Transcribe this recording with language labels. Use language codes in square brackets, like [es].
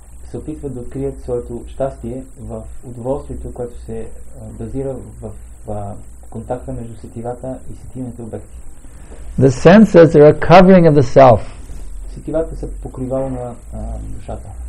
[bg] Се опитват да открият своето щастие в удоволствието, което се базира в контакта между сетивата и сетивните обекти. [en] The senses are a covering of the self. [bg] Сетивата са покривало на душата.